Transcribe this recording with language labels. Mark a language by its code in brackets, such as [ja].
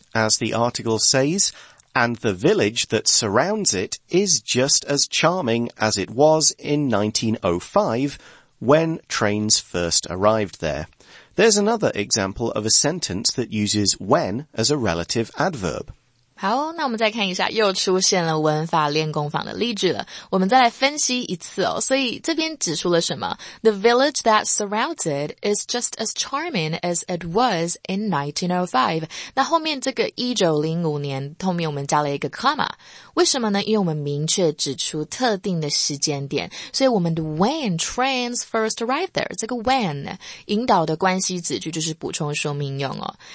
[en] As the article says, and the village that surrounds it is just as charming as it was in 1905,When trains first arrived there. There's another example of a sentence that uses when as a relative adverb. [zh] 好，那我们再看一下，又出现了文法练功坊的例句了。我们再来分析一次哦。所以这边指出了什么 [en] ？The village that surrounds it is just as charming as it was in 1905. [zh] 那后面这个1905年，后面我们加了一个 comma。为什么呢？因为我们明确指出特定的时间点，所以我们的 [en] when trains first arrived there [zh] 这个 when 引导的关系子句就是补充说明用哦。